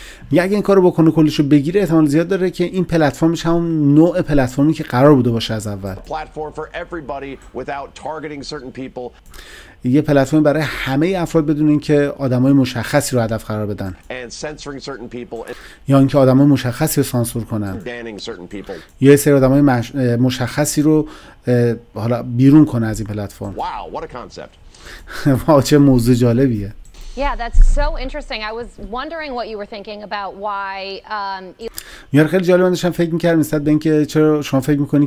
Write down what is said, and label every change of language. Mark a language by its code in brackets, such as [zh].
[fa] اگه این کار رو بکنه، کلش رو بگیره، احتمال زیاد داره که این پلتفرمش همون نوع پلتفرمی که قرار بوده باشه از اول، یه پلتفرم برای همه افراد بدون اینکه آدمای مشخصی رو هدف قرار بدن، یا اینکه آدمای مشخصی رو سانسور کنن، یا یه سری آدمای مشخصی رو حالا بیرون کنه از این پلتفرم. واو چه موضوع جالبیه. [en] Yeah, that's so interesting. I was wondering what you were thinking about why [fa] خیلی جالب بود، داشتم فکر می‌کردم نسبت به اینکه چرا شما فکر می‌کنی